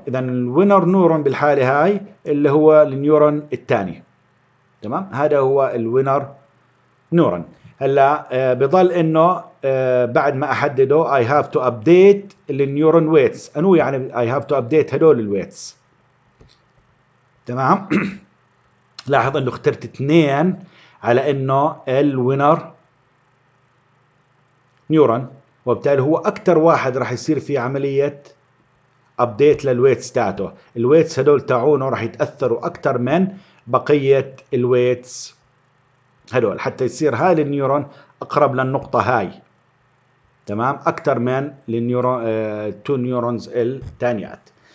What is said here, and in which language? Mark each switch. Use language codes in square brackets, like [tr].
[ar] إذا ال winner neuron بالحالة هاي اللي هو النيورون الثاني، تمام؟ هذا هو ال winner neuron. هلا بضل إنه بعد ما أحدده [en] I have to update the neuron weights. [ar] أنو يعني [en] I have to update [ar] هدول ال weights، تمام؟ لاحظ انه اخترت 2 على انه الوينر نيورون، وبالتالي هو اكتر واحد راح يصير في عملية ابديت للويتس تاعته، الويتس هدول تاعونه راح يتأثروا اكتر من بقية الويتس هدول، حتى يصير هاي النيورون اقرب للنقطة هاي، تمام؟ اكتر من النيورون تو نيورونز التانيات.